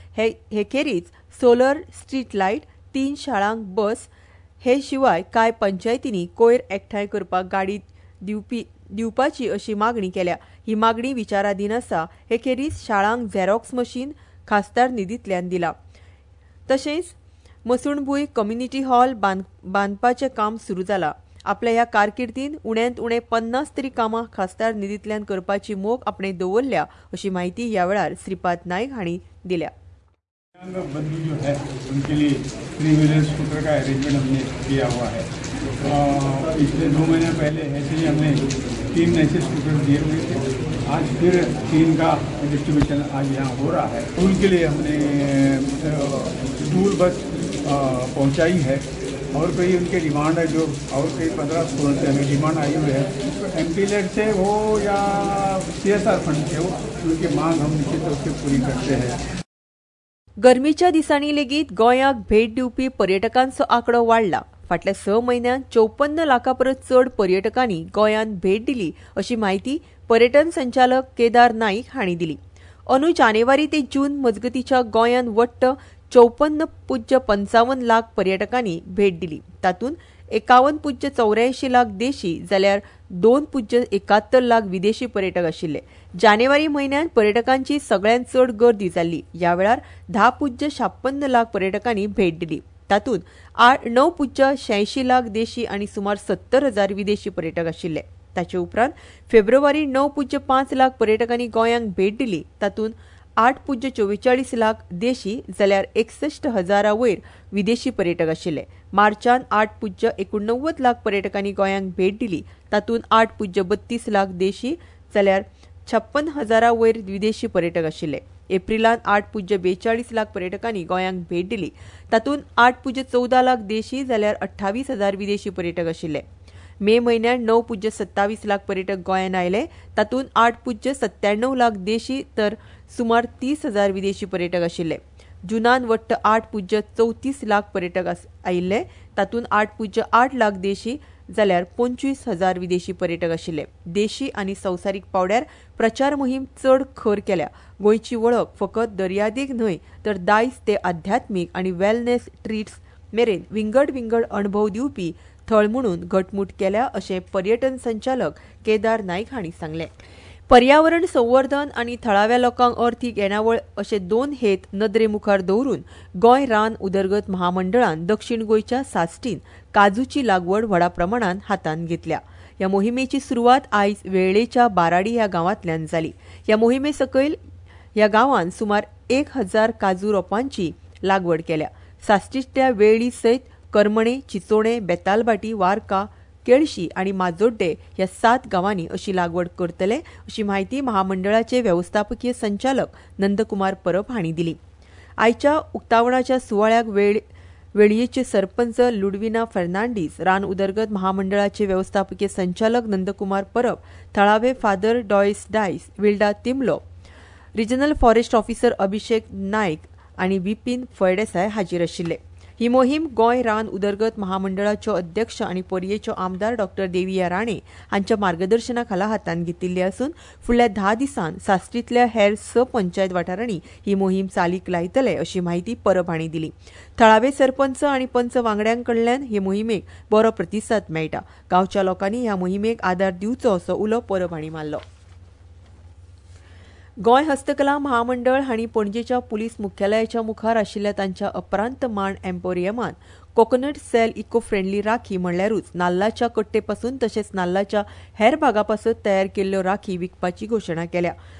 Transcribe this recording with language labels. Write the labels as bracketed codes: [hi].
[gom] हे खेरीज solar street light, 3 शाळांक बस, हे शिवाय कांय पंचायतींनी कोयर एकठांय करपाक गाडी दिवपाची अशी मागणी केल्या. ही मागणी विचाराधीन आसा. हे खेरीज शाळांक झेरॉक्स मशीन खासदार निधीतल्यान दिला. तशेंच मसूणभूंय कम्युनिटी हॉल बांदपाचें काम सुरू जाला. आपल्या ह्या कारकिर्दीन उण्यांत उणे 50 तरी कामां खासदार निधीतल्यान करपाची मोख आपणे दवरल्या अशी माहिती ह्या वेळार श्रीपाद नाईक हांणी दिल्या. [hi] बंधु जो है उनके लिए 3 व्हीलर स्कूटर का अरेंजमेंट हमने किया हुआ है. पिछले 2 महीने पहले ऐसे ही हमने 3 ऐसे स्कूटर दिए हुए थे. आज फिर 3 का डिस्ट्रीब्यूशन आज यहाँ हो रहा है. स्कूल के लिए हमने स्कूल बस पहुँचाई है और कई उनके डिमांड है जो और कई 15 स्कूल से हमें डिमांड आई हुई है. MPLAD से हो या CSR फंड से हो उनकी मांग हम निश्चित तौर से पूरी करते हैं. [gom] गर्मीच्या दिसांनी लेगीत गोंयांक भेट दिवपी पर्यटकांचो आंकडो वाडला. फाटल्या 6 महिन्यांत 54 लाखांपरस चड पर्यटकांनी गोंयांत भेट दिली अशी माहिती पर्यटन संचालक केदार नाईक हांणी दिली. अंदू जानेवारी ते जून मजगतीच्या गोंयांत वट्ट 54.55 लाख पर्यटकांनी भेट दिली. तातूंत 51.84 लाख देशी जाल्यार 2.71 लाख विदेशी पर्यटक आशिल्ले. जानेवारी म्हयन्यांत पर्यटकांची सगळ्यांत चड गर्दी जाल्ली. ह्या वेळार 10.56 लाख पर्यटकांनी भेट दिली. तातूंत 9.86 लाख देशी आनी सुमार 70,000 विदेशी पर्यटक आशिल्ले. ताचे उपरांत फेब्रुवारी 9.5 लाख पर्यटकांनी गोंयांक भेट दिली. तातूंत 8.44 लाख देशी जाल्यार 61,000 वयर विदेशी पर्यटक आशिल्ले. मार्चान 8.89 लाख पर्यटकांनी गोंयांक भेट दिली. तातूंत 8.32 लाख देशी जाल्यार 56,000 वयर विदेशी पर्यटक आशिल्ले. एप्रिलांत 8.42 लाख पर्यटकांनी गोंयांक भेट दिली. तातूंत 8.14 लाख देशी जाल्यार 28,000 विदेशी पर्यटक आशिल्ले. मे म्हयन्यांत 9.27 लाख पर्यटक गोंयांत आयले. तातूंत 8.97 लाख देशी तर सुमार 30,000 विदेशी पर्यटक आशिल्ले. जुनान वट्ट 8.34 लाख पर्यटक आयिल्ले. तातूंत 8.8 लाख देशी जाल्यार 25,000 विदेशी पर्यटक आशिल्ले. देशी आनी संवसारीक पावड्यार प्रचार मोहीम चड खर केल्या. गोंयची वळख फकत दर्यादेग न्हय तर दायज ते आध्यात्मीक आनी वेलनेस ट्रीट्स मेरेन विंगड विंगड अणभव दिवपी थळ म्हणून घटमूट केल्या अशें पर्यटन संचालक केदार नाईक हांणी सांगले. पर्यावरण संवर्धन आनी थळाव्या लोकांक अर्थीक येणावळ अशे 2 हेत नदरेमुखार दवरून गोंय रान उदरगत महामंडळान दक्षिण गोंयच्या सास्टीन काजूची लागवड व्हडा प्रमाणान हातान घेतल्या. ह्या मोहिमेची सुरवात आयज वेळेच्या बाराडी ह्या गांवांतल्यान जाली. ह्या मोहिमे सकयल ह्या गांवांत सुमार 1,000 काजू रोपांची लागवड केल्या. सास्टीच्या वेळी सयत करमणे, चिचोणे, बेतालबाटी, वारका, केळशी आणि माजोड्डे या 7 गावांनी अशी लागवड करतले अशी माहिती महामंडळाचे व्यवस्थापकीय संचालक नंदकुमार परब हांणी दिली. आयच्या उक्तावणाच्या सुवाळ्याक वेळयेचे सरपंच लुडविना फर्नांडीस, रान उदरगत महामंडळाचे व्यवस्थापकीय संचालक नंदकुमार परब, थळावे father डॉयस Dias, विल्डा तिमलो, regional forest officer अभिषेक नाईक आणि विपीन फळदेसाय हाजीर आशिल्ले. ही मोहीम गोंय रान उदरगत महामंडळाचे अध्यक्ष आणि पर्येचे आमदार डॉ देविया राणे हांच्या मार्गदर्शनाखाला हातात घेतिल्ली असून फुडल्या 10 दिसांत सास्त्रीतल्या हेर स पंचायत वाठारांनी ही मोहीम चालीक लायतले अशी माहिती परब हांणी दिली. थळावे सरपंच आणि पंच वांगड्यांकडल्यान हे मोहिमेक बरो प्रतिसाद मेळटा. गांवच्या लोकांनी ह्या मोहिमेक आदार दिवचो असो उलो परब हांणी मारलो. गोंय हस्तकला महामंडळ हांणी पणजेच्या पुलीस मुख्यालयाच्या मुखार आशिल्ल्या तांच्या अपरांत मांड एम्पोरियमात coconut sale eco friendly rakhi म्हणल्यारूच नाल्लाच्या कट्टेपासून तशेंच नाल्लाच्या हेर भागापासून तयार केल्ल्यो राखी विकपाची घोषणा केल्या.